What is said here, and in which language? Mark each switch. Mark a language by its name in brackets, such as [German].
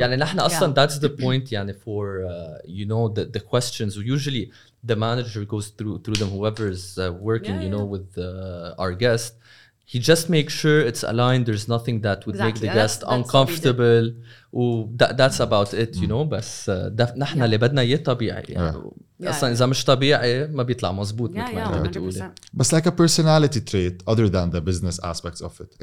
[Arabic] يعني نحن أصلاً [English] that's the point [Arabic] يعني [English] for, you know, the questions. Usually the manager goes through them, whoever's working, you know, with our guest. He just makes sure it's aligned. There's nothing that would make the guest uncomfortable. That's about it, you know. [Arabic] بس نحن اللي بدنا إياه طبيعي. أصلاً إذا مش طبيعي ما بيطلع مزبوط. [English] Yeah, 100%. But like a personality trait, other than the business aspects of it.